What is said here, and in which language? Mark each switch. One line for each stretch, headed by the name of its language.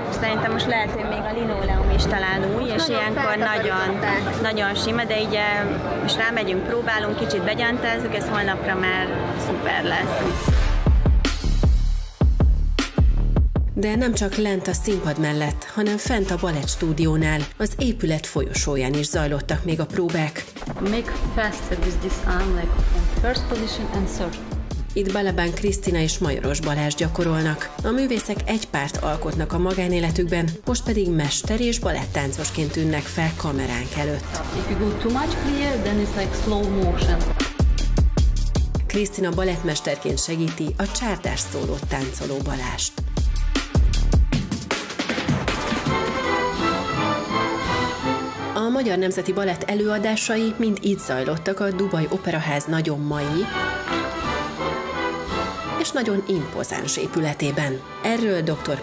Hungarian: Szerintem most lehet, hogy még a linoleum is talán új, és nagyon ilyenkor nagyon sima, de így most rámegyünk, próbálunk, kicsit begyantázzuk, ez holnapra már szuper lesz. De nem csak lent a színpad mellett, hanem fent a balett stúdiónál, az épület folyosóján is zajlottak még a próbák.
English: Make faster with this arm, like first position and third.
Hungarian: Itt Balabán Krisztina és Majoros Balázs gyakorolnak. A művészek egy párt alkotnak a magánéletükben, most pedig mester és balettáncosként ünnek fel kameránk előtt.
English: If you go too much clear, then it's like slow motion.
Hungarian: Krisztina balettmesterként segíti a csárdás szólót táncoló Balázst. Magyar Nemzeti Balett előadásai mind itt zajlottak, a Dubai Operaház nagyon mai és nagyon impozáns épületében. Erről dr.